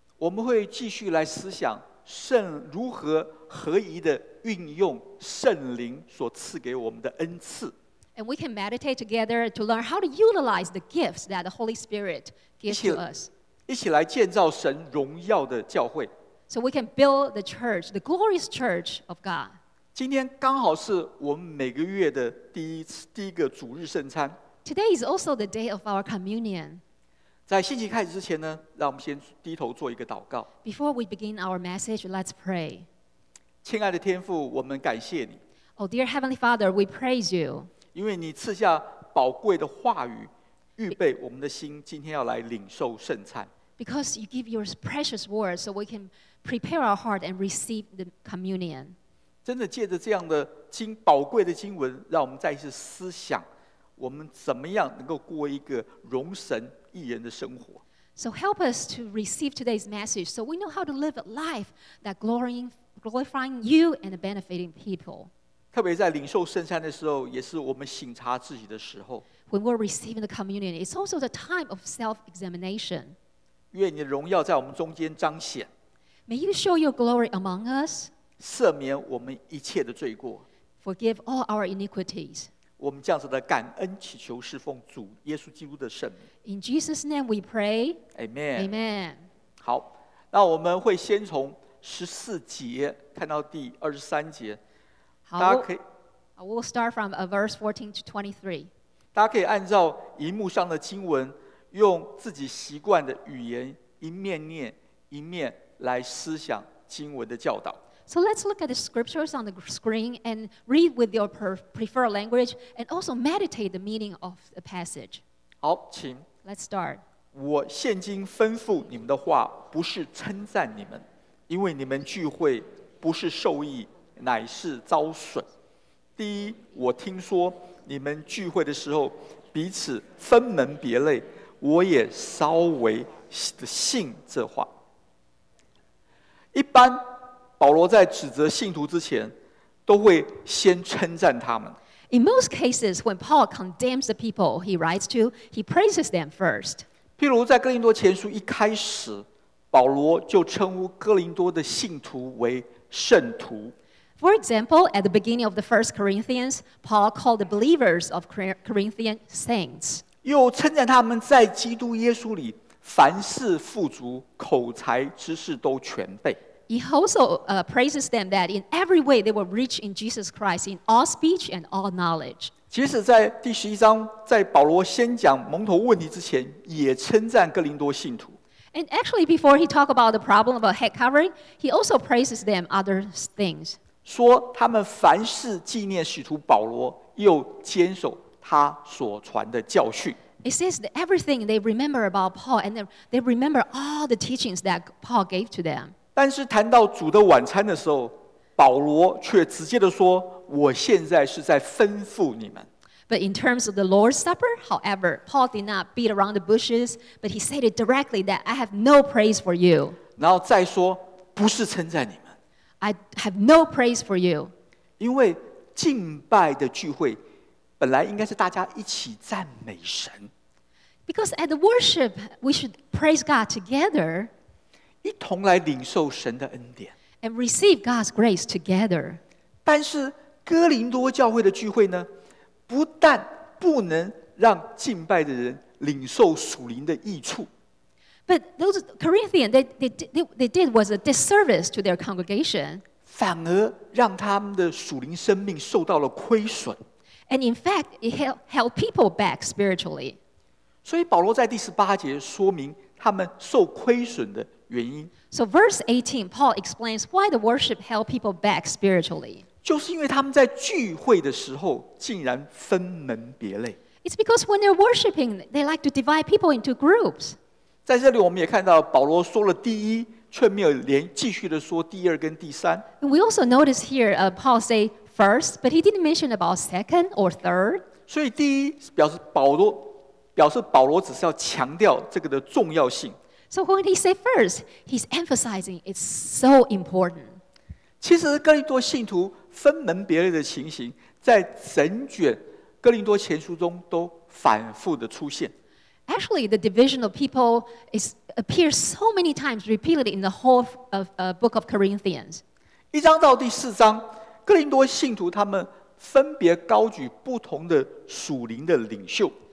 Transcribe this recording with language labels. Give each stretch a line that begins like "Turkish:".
Chinese: 我们会继续来思想圣如何合宜的运用圣灵所赐给我们的恩赐。
English: And we can meditate together to learn how to utilize the gifts that the Holy Spirit gives to us.
Chinese: 一起来建造神荣耀的教会。
English: So we can build the church, the glorious church of God.
Chinese: 今天刚好是我们每个月的第一个主日圣餐。
English: Today is also the day of our communion.
Chinese: 在信息开始之前呢，让我们先低头做一个祷告。
English: Before we begin our message, let's pray.
Chinese: 亲爱的天父，我们感谢你。
English: Oh, dear Heavenly Father, we praise you.
Chinese: 因为你赐下宝贵的话语，预备我们的心，今天要来领受圣餐。
English: Because you give your precious word, so we can prepare our heart and receive the communion.
Chinese: 真的借着这样的宝贵的经文，让我们再一次思想，我们怎么样能够过一个荣神益人的生活。
English: So help us to receive today's message, so we know how to live a life that glorifying you and benefiting people.
Chinese: 特别在领受圣餐的时候，也是我们省察自己的时候。
English: When we're receiving the communion, it's also the time of self-examination.
Chinese: 愿你的荣耀在我们中间彰显。
English: May you show your glory among us.
Chinese: 赦免我们一切的罪过。
English: Forgive all our iniquities.
Chinese: 我们这样子的感恩祈求是奉主耶稣基督的圣名。
English: In Jesus' name we pray. Amen. Amen.
Chinese: 好，那我们会先从14节看到第23节。好，大家可以。
English: I will start from verse 14 to 23.
Chinese: 大家可以按照荧幕上的经文。用自己习惯的语言，一面念，一面来思想经文的教导。
English: So let's look at the scriptures on the screen and read with your preferred language and also meditate the meaning of the passage.
Chinese: 好，请。
English: Let's start.
Chinese: 我现今吩咐你们的话，不是称赞你们，因为你们聚会不是受益，乃是遭损。第一，我听说你们聚会的时候彼此分门别类。我也稍微信这话。一般保罗在指责信徒之前，都会先称赞他们。
English: In most cases, when Paul condemns the people he writes to, he praises them first.
Chinese: 譬如在哥林多前书一开始，保罗就称呼哥林多的信徒为圣徒。
English: For example, at the beginning of the First Corinthians, Paul called the believers of Corinthians saints.
Chinese: 又称赞他们在基督耶稣里凡事富足，口才知识都全备。
English: He also praises them that in every way they were rich in Jesus Christ in all speech and all knowledge.
Chinese: 即使在第十一章，在保罗先讲蒙头问题之前，也称赞哥林多信徒。
English: And actually, before he talked about the problem of a head covering, he also praises them other things.
Chinese: 说他们凡事纪念使徒保罗，又坚守。他所传的教训。
English: It says that everything they remember about Paul, and they remember all the teachings that Paul gave to them.
Chinese: 但是谈到主的晚餐的时候，保罗却直接的说：“我现在是在吩咐你们。”
English: But in terms of the Lord's Supper, however, Paul did not beat around the bushes, but he said it directly that I have no praise for you.
Chinese: 然后再说，不是称赞你们。
English: I have no praise for you.
Chinese: 因为敬拜的聚会。本来应该是大家一起赞美神。
English: Because at the worship, we should praise God together.
Chinese: 一同来领受神的恩典。
English: And receive God's grace together.
Chinese: 但是哥林多教会的聚会呢，不但不能让敬拜的人领受属灵的益处。
English: But those Corinthians, they did was a disservice to their congregation.
Chinese: 反而让他们的属灵生命受到了亏损。
English: And in fact, it held people back spiritually.
Chinese: 所以保罗在第十八节说明他们受亏损的原因。
English: So verse 18, Paul explains why the worship held people back spiritually.
Chinese: 就是因为他们在聚会的时候竟然分门别类。
English: It's because when they're worshiping, they like to divide people into groups.
Chinese: 在这里我们也看到保罗说了第一，却没有连继续的说第二跟第三。
English: And we also notice here, Paul say,First, but he didn't mention about second or third.
Chinese: 所以第一表示保罗只是要强调这个的重要性。
English: So when he say first, he's emphasizing it's so important.
Chinese: 其实哥林多信徒分门别类的情形，在整卷哥林多前书中都反复的出现。
English: Actually, the division of people appears so many times repeatedly in the whole of book of Corinthians.
Chinese: 一章到第四章。哥林多信徒他们分别高举不同的属灵的领袖。